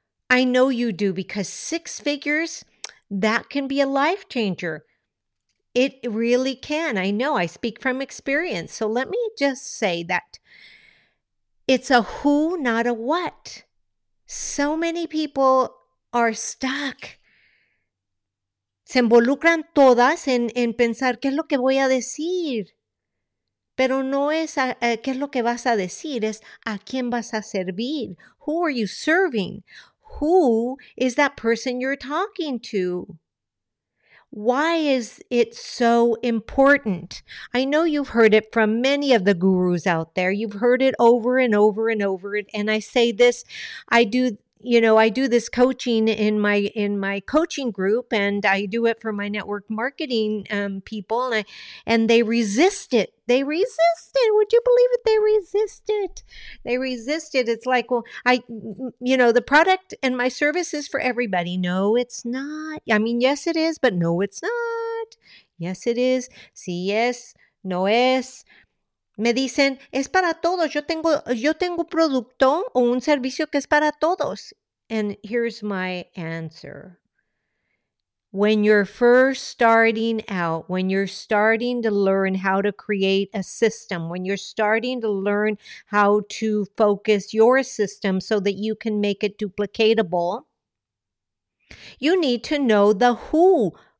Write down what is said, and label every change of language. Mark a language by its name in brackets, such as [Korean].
[English] I know you do, because six figures, that can be a life changer. It really can. I know. I speak from experience. So let me just say that it's a who, not a what. So many people are stuck. [Spanish] Se involucran todas en pensar, ¿qué es lo que voy a decir? Pero no es a qué es lo que vas a decir, es a quién vas a servir. [English] Who are you serving? Who is that person you're talking to? Why is it so important? I know you've heard it from many of the gurus out there. You've heard it over and over and over. And I say this, I do this coaching in my coaching group, and I do it for my network marketing people, and they resist it. They resist it. Would you believe it? They resist it. It's like, well, the product and my service is for everybody. No, it's not. I mean, yes, it is, but no, it's not. Yes, it is. [Spanish] Sí, es. No es. Me dicen, es para todos. Yo tengo producto o un servicio que es para todos. [English] And here's my answer. When you're first starting out, when you're starting to learn how to create a system, when you're starting to learn how to focus your system so that you can make it duplicatable, you need to know the who.